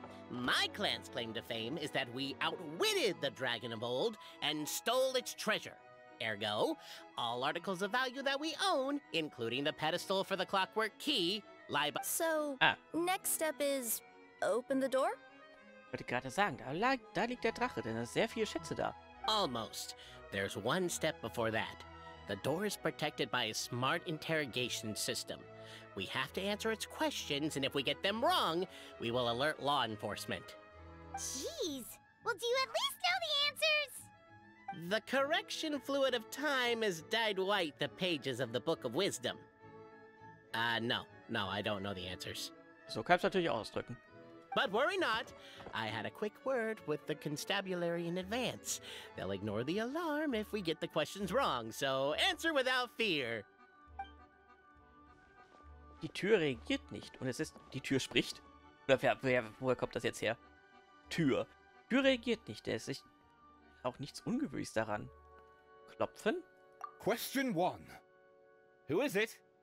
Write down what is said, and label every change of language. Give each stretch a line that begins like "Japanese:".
English: My clan's claim to fame is that we outwitted the dragon of old and stole its treasure. Ergo, all articles of value that we own, including the pedestal for the clockwork key, lie by... So, next step is open the door?
German: Wollte ich gerade sagen, da liegt der Drache, denn da sind sehr viele Schätze da.
English: Almost. There's one step before that. The door is protected by a smart interrogation system. We have to answer its questions, and if we get them wrong, we will alert law enforcement. Jeez! Well, do you at least know the answers? The correction fluid of time has dyed white the pages of the Book of Wisdom. No, I don't know the answers.
German: So kann's natürlich ausdrücken.
English: But worry not. I had a quick word with the constabulary in advance. They'll ignore the alarm if we get the questions wrong, so answer without fear.
German: Die Tür reagiert nicht. Und es ist... Die Tür spricht? Oder woher kommt das jetzt her? Tür. Tür reagiert nicht. Es ist... auch nichts Ungewöhnliches daran. Klopfen?
English: Question one. Who is it?